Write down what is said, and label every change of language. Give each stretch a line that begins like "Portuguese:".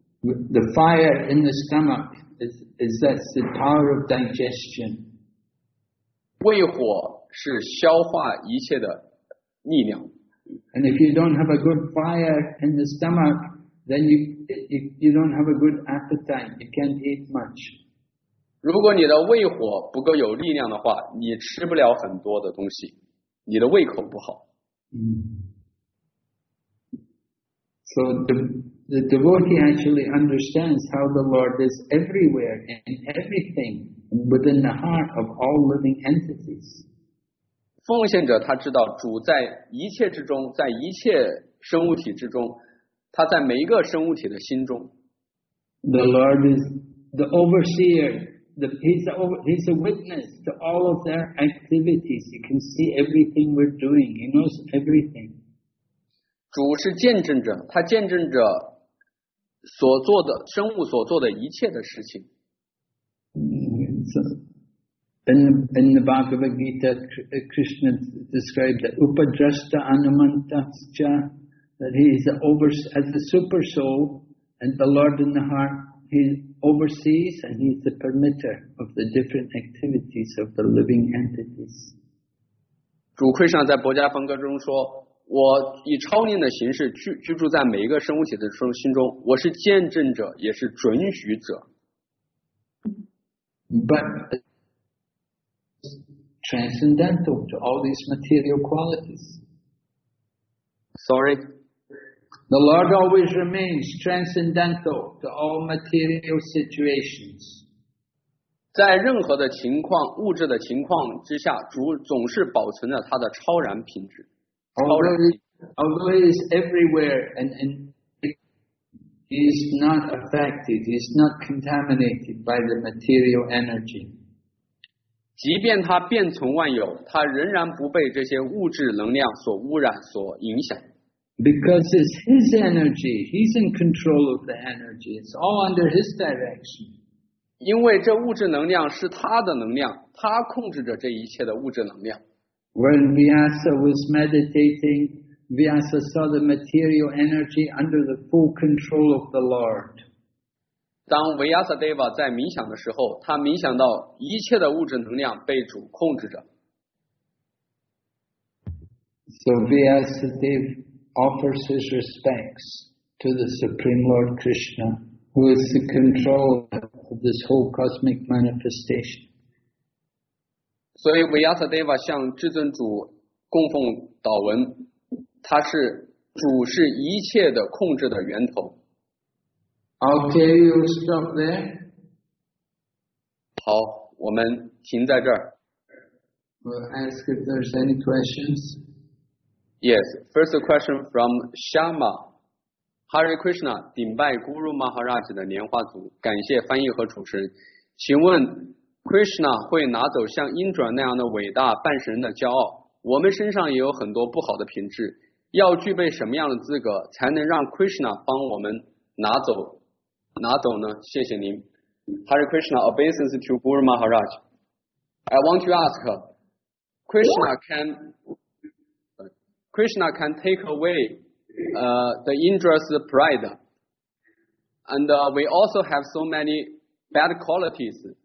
English: The fire in the stomach is that's the power of digestion.
Chinese: 胃火是消化一切的力量。
English: And if you don't have a good fire in the stomach, then you don't have a good appetite, you can't eat much.
Chinese: 如果你的胃火不够有力量的话，你吃不了很多的东西，你的胃口不好。
English: So the devotee actually understands how the Lord is everywhere in everything within the heart of all living entities.
Chinese: 奉献者他知道主在一切之中，在一切生物体之中，他在每一个生物体的心中。
English: The Lord is the overseer. He's a witness to all of their activities. He can see everything we're doing. He knows everything.
Chinese: 主是见证者，他见证着所做的生物所做的一切的事情。
English: So, in the Bhagavad Gita, Krishna described that Upadrashta Anumantascha, that he is as the super soul and the Lord in the heart. He oversees and he is the permitter of the different activities of the living entities.
Chinese: 主 Krishna 在薄伽梵歌中说，我以超念的形式居住在每一个生物体的心中，我是见证者，也是准许者。
English: But transcendental to all these material qualities. Sorry. The Lord always remains transcendental to all material situations.
Chinese: 在任何的情况，物质的情况之下，主总是保存着他的超然品质。
English: Although he is everywhere and he is not affected, he is not contaminated by the material energy.
Chinese: 即便他遍存万有，他仍然不被这些物质能量所污染、所影响。
English: Because it's his energy, he's in control of the energy. It's all under his direction.
Chinese: 因为这物质能量是他的能量，他控制着这一切的物质能量。
English: When Vyasa was meditating, Vyasa saw the material energy under the full control of the Lord.
Chinese: 当 Vyasa Deva 在冥想的时候，他冥想到一切的物质能量被主控制着。
English: So Vyasa Deva offers his respects to the Supreme Lord Krishna, who is the controller of this whole cosmic manifestation.
Chinese: 所以维亚特德瓦向至尊主供奉祷文，他是主是一切的控制的源头。
English: Okay, you stop there.
Chinese: 好，我们停在这儿。
English: We'll ask if there's any questions. Yes, first question from Shama.
Chinese: Hare Krishna, 顶拜 Guru Maharaj 的莲花组，感谢翻译和主持人。请问 Krishna 会拿走像 Indra 那样的伟大半神的骄傲？我们身上也有很多不好的品质，要具备什么样的资格才能让 Krishna 帮我们拿走呢？谢谢您。
English: Hare Krishna, obeisance to Guru Maharaj. I want to ask, Krishna can take away the Indra's pride, and we also have so many bad qualities.